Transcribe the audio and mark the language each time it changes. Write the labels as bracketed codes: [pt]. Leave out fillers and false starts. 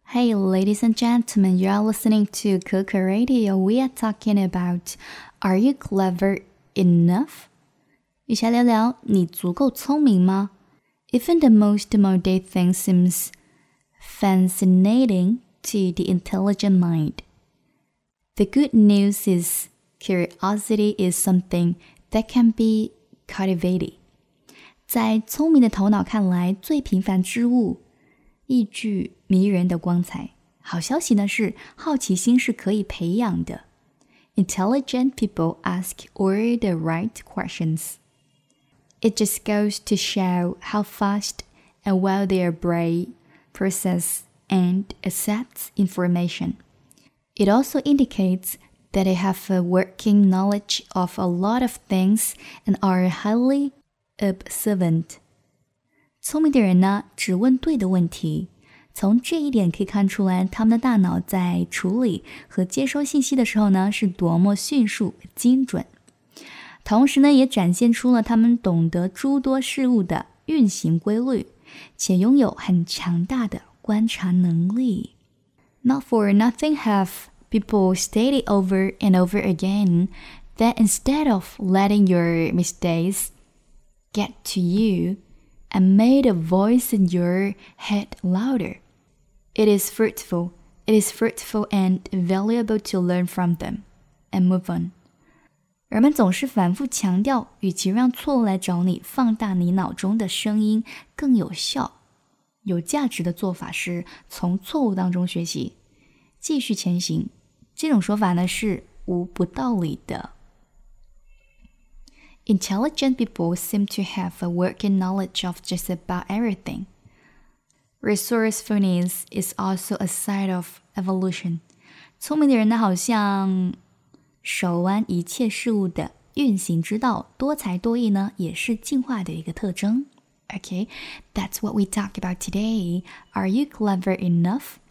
[en] Hey, ladies and gentlemen, you are listening to Kuku Radio. We are talking about Are you clever enough? [zh] 一起来聊聊你足够聪明吗? [en] Even the most mundane thing seems fascinating to the intelligent mind. The good news is curiosity is something that can be cultivated. [zh] 在聪明的头脑看来最平凡之物一句迷人的光彩。好消息呢是好奇心是可以培养的。 [en] Intelligent people ask all the right questions. It just goes to show how fast and well their brain processes and accepts information. It also indicates that they have a working knowledge of a lot of things and are highly observant. [zh] 聪明的人呢，只问对的问题。从这一点可以看出来，他们的大脑在处理和接收信息的时候呢，是多么迅速、精准。同时呢，也展现出了他们懂得诸多事物的运行规律，且拥有很强大的观察能力。 [en] Not for nothing have people stated over and over again that instead of letting your mistakes get to you,and made a voice in your head louder. It is fruitful and valuable to learn from them and move on. [zh] 人们总是反复强调，与其让错误来找你，放大你脑中的声音更有效。有价值的做法是从错误当中学习，继续前行。这种说法呢是无不道理的。 [en] Intelligent people seem to have a working knowledge of just about everything. Resourcefulness is also a sign of evolution. [zh] 聪明的人呢，好像手腕一切事物的运行之道，多才多艺呢，也是进化的一个特征。 [en] Okay, that's what we talk about today. Are you clever enough?